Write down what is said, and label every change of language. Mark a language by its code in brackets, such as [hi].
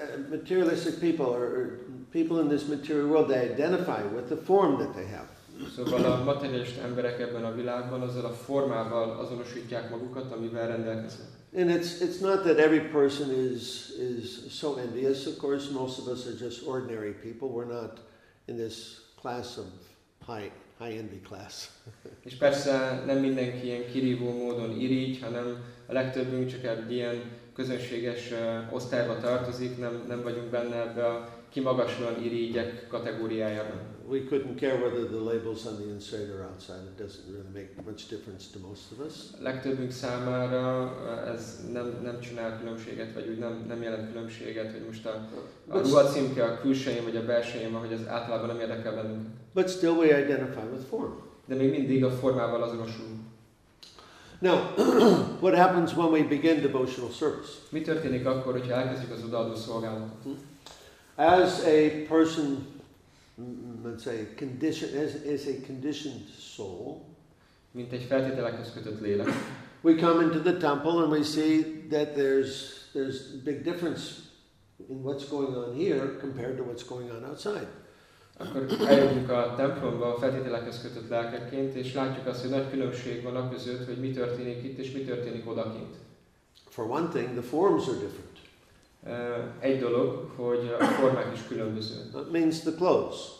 [en] Materialistic people people in this material world, they identify with the form that they have. [hu] Szóval a materialista emberek ebben a világban azzal a formával azonosítják magukat, amivel rendelkeznek. [en] And it's not that every person is so envious. Of course, most of us are just ordinary people. We're not in this class of high envy class. [hu] És persze nem mindenki ilyen kirívó módon irigy, hanem a legtöbbünk csak egy ilyen közönséges osztályba tartozik, nem vagyunk benne ebbe a kimagaslóan irigyek kategóriájában. [en] We couldn't care whether the labels on the inside or outside. It doesn't really make much difference to most of us. [hu] Legtöbbünk számára ez nem csinál különbséget, vagy úgy nem jelent különbséget, hogy most a ruhacímke a külsején vagy a belsején, vagy az általában nem érdekel bennünk. [en] But still we identify with form. [hu] De még mindig a formával azonosulunk. [en] Now, what happens when we begin devotional service? [hu] Mi történik akkor, hogyha elkezdjük az odaadó szolgálatot? [en] As a person, let's say, as a conditioned soul, [hu] mint egy feltételekhez kötött lélek, [en] we come into the temple and we see that there's a big difference in what's going on here compared to what's going on outside. [hu] Akkor eljövünk a templomba a feltételekhez kötött lelkekként, és látjuk azt, hogy nagy különbség van a között, hogy mi történik itt, és mi történik odakint. [en] For one thing, the forms are different. [hu] Egy dolog, hogy a formák is különböző. [en] That means the clothes.